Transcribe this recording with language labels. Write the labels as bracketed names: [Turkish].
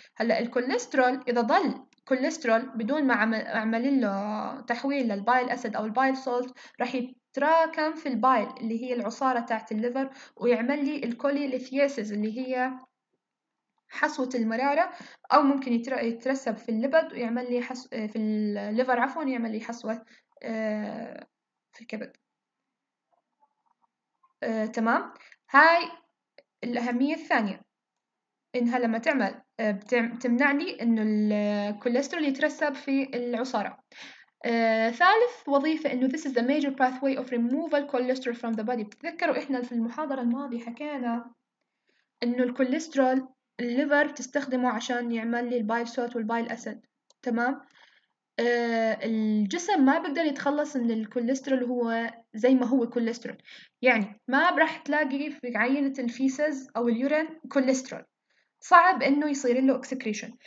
[Arabic] هلا الكوليسترول اذا ضل كوليسترول بدون ما اعمل له تحويل للبايل اسيد او البايل سولت، راح يتراكم في البايل اللي هي العصاره تاعت الليفر، ويعمل لي الكوليليثياسيس اللي هي حصوه المراره، او ممكن يترسب في الليبد ويعمل لي في الليفر عفوا، يعمل لي حصوه في الكبد، تمام. هاي الاهميه الثانيه، انها لما تعمل بتمنع لي انه الكوليسترول يترسب في العصارة. ثالث وظيفة انه [English] this is the major pathway of removal cholesterol from the body. [Arabic] بتذكروا احنا في المحاضرة الماضية حكينا انه الكوليسترول الليفر تستخدمه عشان يعمل لي البايل سولت والبايل اسيد، تمام. الجسم ما بقدر يتخلص من الكوليسترول هو زي ما هو كوليسترول، يعني ما برح تلاقي في عينة الفيسز او اليورين كوليسترول، صعب انه يصير له اكسكريشن.